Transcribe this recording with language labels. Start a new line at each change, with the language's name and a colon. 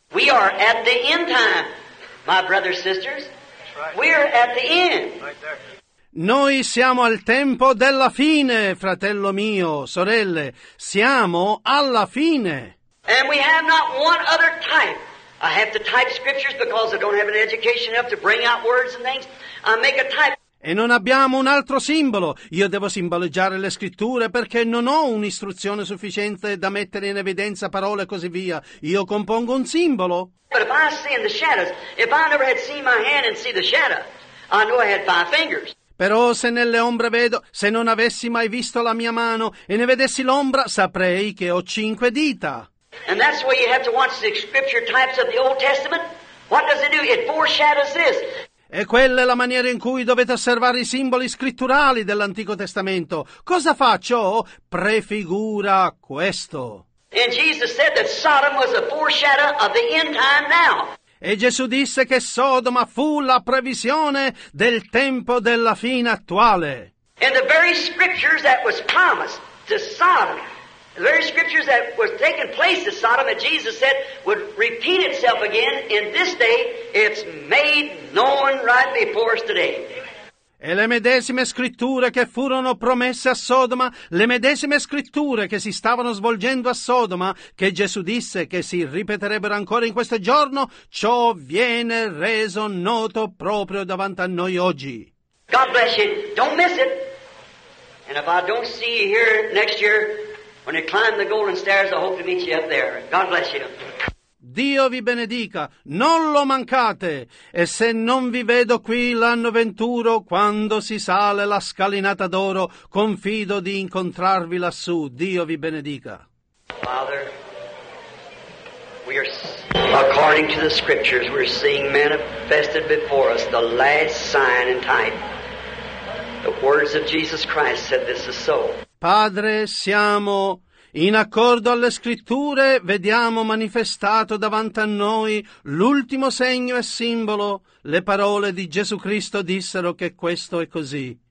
English: We are at the end time, my brothers and sisters. We are at the end. Right there.
Italian: Noi siamo al tempo della fine, fratello mio, sorelle, siamo alla fine.
English: And we have not one other type. I have to type scriptures because I don't have an education enough to bring out words and things. I make a type.
Italian: E non abbiamo un altro simbolo. Io devo simboleggiare le scritture perché non ho un'istruzione sufficiente da mettere in evidenza parole e così via. Io compongo un simbolo.
English: But if I see in the shadows, if I never had seen my hand and see the shadow, I know I had five fingers.
Italian: Però se nelle ombre vedo, se non avessi mai visto la mia mano e ne vedessi l'ombra, saprei che ho cinque dita.
English: And that's why you have to watch the scripture types of the Old Testament. What does it do? It foreshadows this.
Italian: E quella è la maniera in cui dovete osservare i simboli scritturali dell'Antico Testamento. Cosa fa ciò? Prefigura questo.
English: And Jesus said that Sodom was a foreshadow of the end time now.
Italian: E Gesù disse che Sodoma fu la previsione del tempo della fine attuale.
English: And the very scriptures that was promised to Sodom, the very scriptures that was taking place to Sodom that Jesus said would repeat itself again in this day, it's made known right before us today.
Italian: E le medesime scritture che furono promesse a Sodoma, le medesime scritture che si stavano svolgendo a Sodoma, che Gesù disse che si ripeterebbero ancora in questo giorno, ciò viene reso noto proprio davanti a noi oggi.
English: God bless you. Don't miss it. And if I don't see you here next year, when you climb the golden stairs, I hope to meet you up there. God bless you.
Italian: Dio vi benedica, non lo mancate, e se non vi vedo qui l'anno venturo, quando si sale la scalinata d'oro, confido di incontrarvi lassù. Dio vi benedica.
English: Father, we are, according to the scriptures, we're seeing manifested before us the last sign and type. The words of Jesus Christ said this is so.
Italian: Padre, siamo in accordo alle scritture, vediamo manifestato davanti a noi l'ultimo segno e simbolo. Le parole di Gesù Cristo dissero che questo è così.